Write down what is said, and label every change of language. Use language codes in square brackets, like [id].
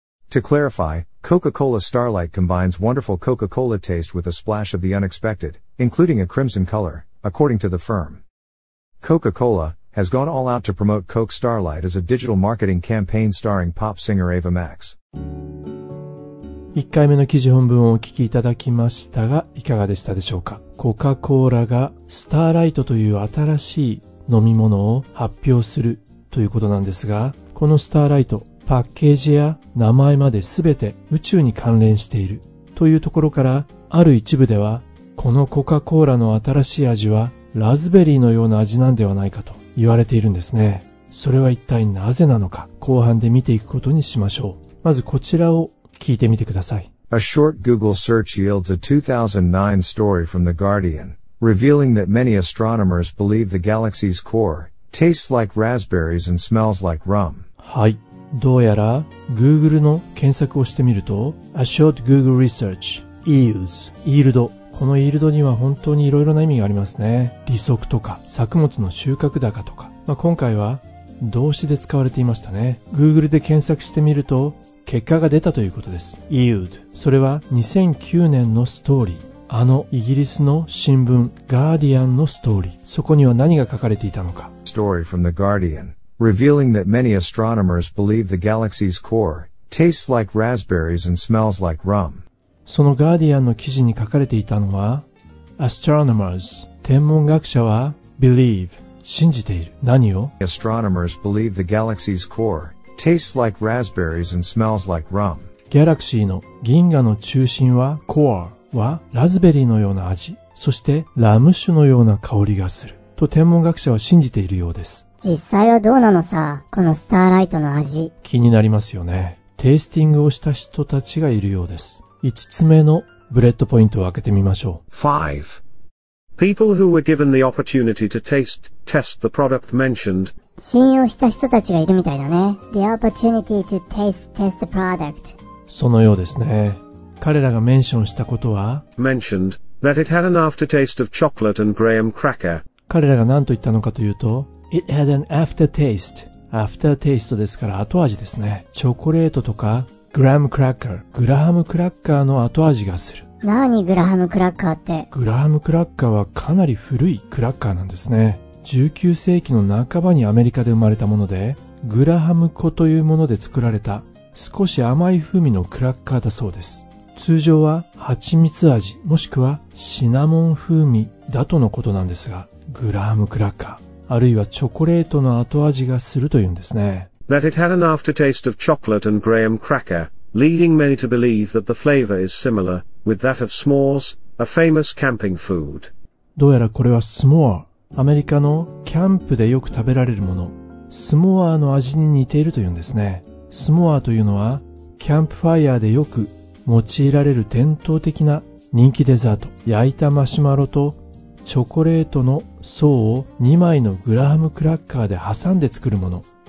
[en] To clarify, Coca-Cola Starlight combines wonderful Coca-Cola taste with a splash of the unexpected, including a crimson color, according to the firm. Coca-Cola has gone all out to promote Coke Starlight as a digital marketing campaign starring pop singer Ava Max. [ja] 1回目の記事本文をお聞きいただきましたが、いかがでしたでしょうか。コカ・コーラがスターライトという新しい飲み物を発表するということなんですが、このスターライト、パッケージや名前まで全て宇宙に関連しているというところから、ある一部ではこのコカ・コーラの新しい味はラズベリーのような味なんではないかと言われているんですね。それは一体なぜなのか、後半で見ていくことにしましょう。まずこちらを聞いてみてください。 [en] A short Google search yields a 2009 story from The Guardian, revealing that many astronomers believe the galaxy's core tastes like raspberries and smells like rum. [ja] はい。どうやら Google の検索をしてみると、 [en] A short Google research yields yield。 [ja] この yield には本当にいろいろな意味がありますね。利息とか作物の収穫高とか、まあ、今回は動詞で使われていましたね。 Google で検索してみると結果が出たということです。 Yield、 それは2009年のストーリー、あのイギリスの新聞ガーディアンのストーリー、そこには何が書かれていたのか。 [en] Story from the Guardian revealing that many astronomers believe the galaxy's core tastes like raspberries and smells like rum。 [ja] そのガーディアンの記事に書かれていたのは、 Astronomers、 天文学者は believe、 信じている。何を？ [en] Astronomers believe the galaxy's coreTastes like raspberries and smells like rum. [ja] Galaxy の銀河の中心は core はラズベリーのような味、そしてラム酒のような香りがすると天文学者は信じているようです。実際はどうなのさ、このスターライトの味。気になりますよね。テイスティングをした人たちがいるようです。5つ目のブレッドポイントを開けてみましょう。 [en] 5. People who were given the opportunity to taste test the product mentioned、 [ja] 信用した人たちがいるみたいだね。 [en] The opportunity to taste test the product。 [ja] そのようですね。彼らがメンションしたことは、 [en] mentioned that it had an aftertaste of chocolate and graham cracker。 [ja] 彼らが何と言ったのかというと、 [en] it had an aftertaste。 [ja] aftertaste ですから後味ですね。チョコレートとか graham cracker、 グラハムクラッカーの後味がする。何、グラハムクラッカーって。グラハムクラッカーはかなり古いクラッカーなんですね。 19世紀の半ばにアメリカで生まれたもので、グラハム粉というもので作られた少し甘い風味のクラッカーだそうです。通常は蜂蜜味もしくはシナモン風味だとのことなんですが、グラハムクラッカー、あるいはチョコレートの後味がするというんですね。 [en] that it had an aftertaste of chocolate and graham cracker, leading many to believe that the flavor is similar with that of s'mores, a famous camping food. [ja] どうやらこれはスモア、アメリカのキャンプでよく食べられるもの、スモアの味に似ているというんですね。スモアというのはキャンプファイヤーでよく用いられる伝統的な人気デザート、焼いたマシュマロとチョコレートの層を2枚のグラハムクラッカーで挟んで作るもの。